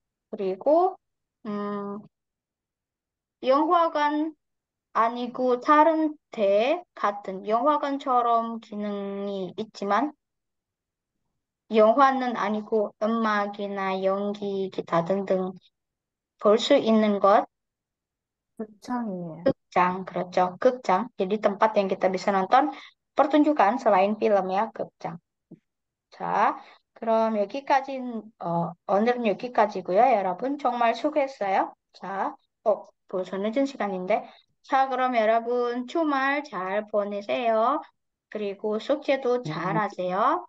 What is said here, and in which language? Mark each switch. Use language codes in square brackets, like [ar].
[ko] 그리고 영화관 아니고 다른 데 같은 영화관처럼 기능이 있지만 영화는 아니고 음악이나 연기 기타 등등 볼수 있는 것. 극장이에요. 극장, 그렇죠. 극장. [id] Jadi tempat yang kita bisa nonton pertunjukan selain film ya,극장. [ko] 자, 그럼 여기까지 오늘은 여기까지고요, 여러분. 정말 수고했어요. 자, 벌써 늦은 시간인데. 자, 그럼 여러분 주말 잘 보내세요. 그리고 숙제도 잘 하세요.